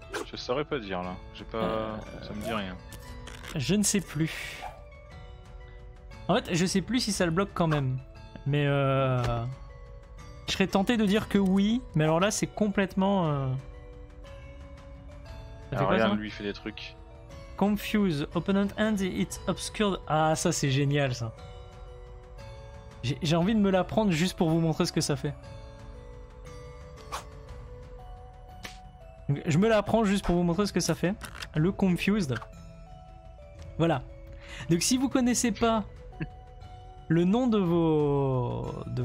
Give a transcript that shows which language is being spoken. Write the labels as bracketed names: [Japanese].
[French] Je saurais pas dire là. J'ai pas. Ça me dit rien. Je ne sais plus. En fait, je sais plus si ça le bloque quand même. Mais je serais tenté de dire que oui. Mais alors là, c'est complètement. Regarde, lui fait des trucs. [English] Confuse, opponent hand, it's obscured. [French] Ah, ça c'est génial ça. J'ai envie de me la prendre juste pour vous montrer ce que ça fait. Je me la prends juste pour vous montrer ce que ça fait. Le confused. Voilà. Donc si vous connaissez pas le nom de vos.